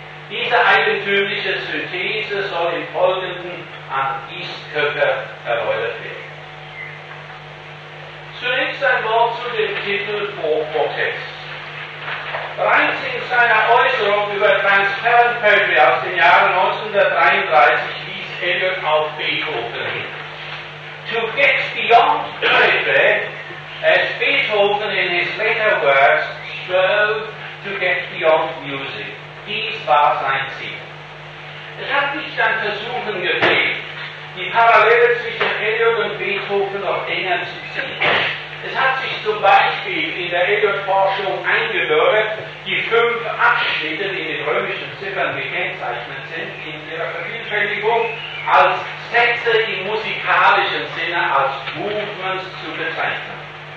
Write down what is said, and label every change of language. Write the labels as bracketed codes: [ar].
[de] Diese eigentümliche Synthese soll im Folgenden an Istköcker erläutert werden. Zunächst ein Wort zu dem Titel Protest. Bereits in seiner Äußerung über Transparent Poetry aus dem Jahre 1933 wies Eliot auf Beethoven hin. [en] To get beyond poetry, as Beethoven in his later works strove to get beyond music. [de] Dies war sein Ziel. Es hat nicht an Versuchen gefehlt, die Parallele zwischen Eliot und Beethoven noch enger zu ziehen. Es hat sich zum Beispiel in der Eliot-Forschung eingebürgert, die fünf Abschnitte, die mit römischen Ziffern gekennzeichnet sind, in ihrer Vervielfältigung als Sätze im musikalischen Sinne, als Movements zu bezeichnen.